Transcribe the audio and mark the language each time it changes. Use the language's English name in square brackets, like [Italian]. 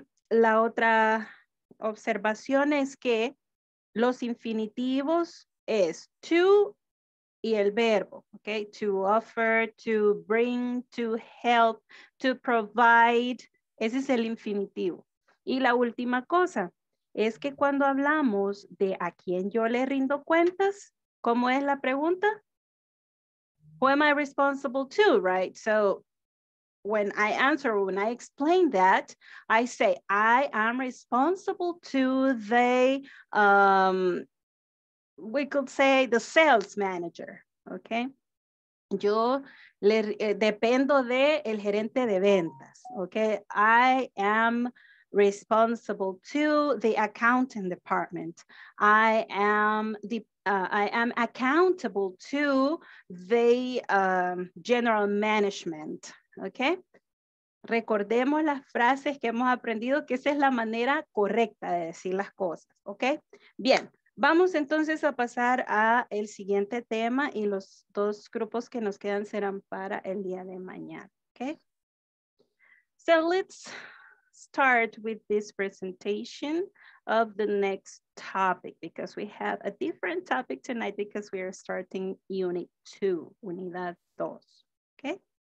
[Spanish] La otra observación es que los infinitivos es to y el verbo, okay, [English] to offer, to bring, to help, to provide, [Spanish] ese es el infinitivo. Y la última cosa es que cuando hablamos de a quién yo le rindo cuentas, ¿cómo es la pregunta? [English] Who am I responsible to, right? So when I answer, when I explain that, I say I am responsible to the, we could say the sales manager, okay? [Spanish] Yo le, dependo de el gerente de ventas, okay? [English] I am responsible to the accounting department. I am accountable to the general management. ¿Ok? [Spanish] Recordemos las frases que hemos aprendido, que esa es la manera correcta de decir las cosas. ¿Ok? Bien, vamos entonces a pasar a el siguiente tema y los dos grupos que nos quedan serán para el día de mañana. ¿Ok? [English] So let's start with this presentation of the next topic because we have a different topic tonight because we are starting unit 2, unidad 2. ¿Ok?